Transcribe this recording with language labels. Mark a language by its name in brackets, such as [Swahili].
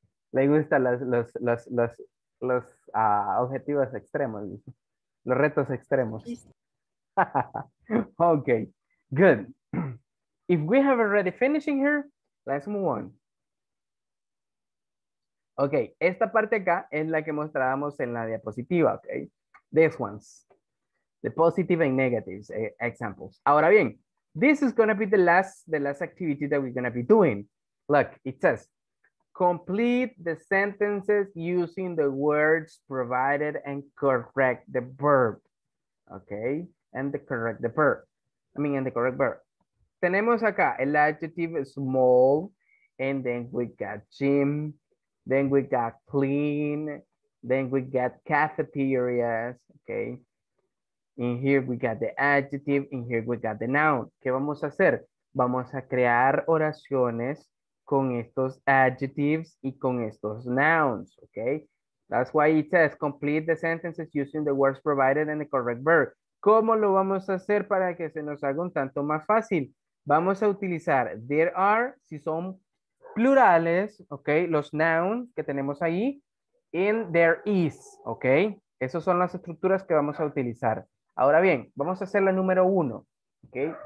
[Spanish] Le gustan los objetivos extremos, los retos extremos. [English] Okay, good. If we have already finishing here, let's move on. [Spanish] Okay, esta parte acá es la que mostrábamos en la diapositiva, okay? [English] These ones, the positive and negative examples. [Spanish] Ahora bien, [English] this is going to be the last activity that we're going to be doing. Look, it says, complete the sentences using the words provided and correct the verb. Okay, and the correct verb. [Spanish] Tenemos acá el [English] adjective small, and then we got gym. Then we got clean, then we got cafeterias, okay? In here we got the adjective, in here we got the noun. [Spanish] ¿Qué vamos a hacer? vamos a crear oraciones con estos adjectives y con estos nouns, okay? [English] That's why it says complete the sentences using the words provided and the correct verb. [Spanish] ¿Cómo lo vamos a hacer para que se nos haga un tanto más fácil? Vamos a utilizar there are, si son plurales, okay, los nouns que tenemos ahí, and there is, okay? Esas son las estructuras que vamos a utilizar. Ahora bien, vamos a hacer la número uno, okay?